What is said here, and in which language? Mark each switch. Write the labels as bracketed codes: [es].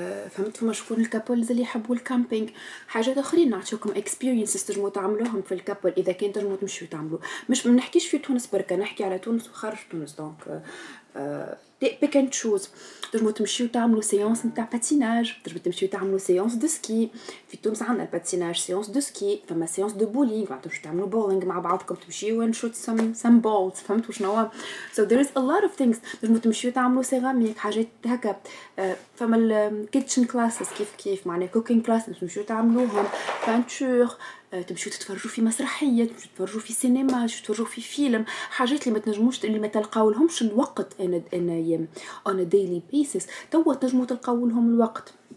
[ar] فهمت فما شكون الكابولز اللي يحبوا الكامبينغ حاجات اخرين نعطيكم اكسبيرينسز تجمو تعملوهم في الكابول اذا كان تجمو تمشيو تعملو مش منحكيش في تونس بركه نحكي على تونس وخارج تونس دونك [en] pick and choose. [ar] تجمو تمشيو تعملو سيونس نتاع باتيناج, تجمو تمشيو تعملو سيونس دو سكي. في تونس عندنا الباتيناج سيونس دو سكي, فما سيونس دو بولينغ, فما تمشيو تعملو بولينغ مع بعضكم, تمشيو [en] and shoot some balls. فهمت واش نوا؟ so there is a lot of things. [ar] تجمو تمشيو تعملو سيراميك, حاجات هكا, فما الكيتشن كلاسز كيف كيف, معناها كوكينغ كلاسز تمشيو تعملوهم, بانتور, تمشيو تتفرجوا في مسرحيه, تمشيو تتفرجوا في سينما, تمشيو تتفرجوا في فيلم, حاجات اللي ما تنجموش اللي ما تلقاو لهمش الوقت انا [en] on a daily basis, [ar] توا تنجموا تلقاو لهم الوقت.